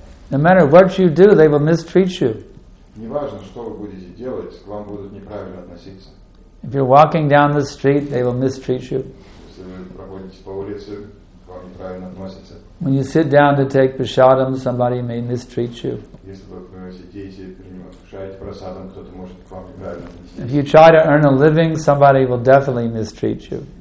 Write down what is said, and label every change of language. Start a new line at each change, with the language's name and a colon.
English: No matter what you do, they will mistreat you.
Russian: Неважно, что вы будете делать, к вам будут неправильно относиться.
English: If you're walking down the street, they will mistreat you.
Russian: Если вы проходите по улице, к вам неправильно относятся.
English: When you sit down to take prasadam, somebody may mistreat you.
Russian: Если вы сидите, принимаете прасадам, кто-то может к вам неправильно относиться.
English: If you try to earn a living, somebody will definitely mistreat you.